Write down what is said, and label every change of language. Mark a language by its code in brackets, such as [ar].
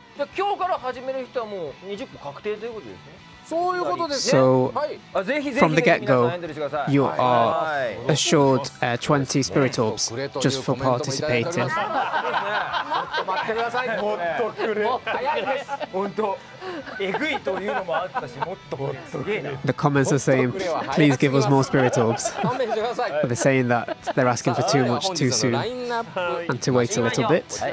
[ja] じゃ今日から始める人はもう20個確定ということですね。そういうことですね。 [en] So, [ja] はい、ぜひぜひ、 [en] from the get-go, you are assured 20 spirit orbs just for participating. [ja] もっと待ってください。もっとくれ。もう早いです。本当。えぐいというのもあったし、もっと。 [en] The comments are saying, please give us more spirit orbs. But they're saying that they're asking for too much too soon and to wait a little bit.